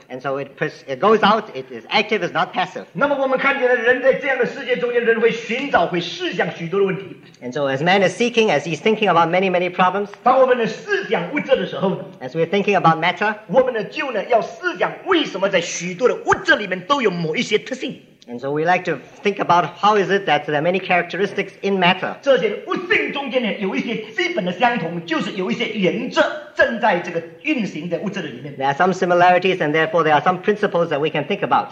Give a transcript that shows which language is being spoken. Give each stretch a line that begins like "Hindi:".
English: And so it goes out, it is active, it's not passive.
Chinese: 那么我们看见了人在这样的世界中间人会寻找会思想许多的问题。
English: And so as man is seeking, as he's thinking about many, many problems,
Chinese: 当我们的思想物质的时候,
English: as we're thinking about matter,
Chinese: 我们的旧呢,要思想为什么在许多的物质里面都有某一些特性。
English: And so we like to think about how is it that there are many characteristics in matter.
Chinese: 这些物性中间有一些基本的相同,就是有一些原则正在这个运行在物质里面。
English: There are some similarities and therefore there are some principles that we can think about.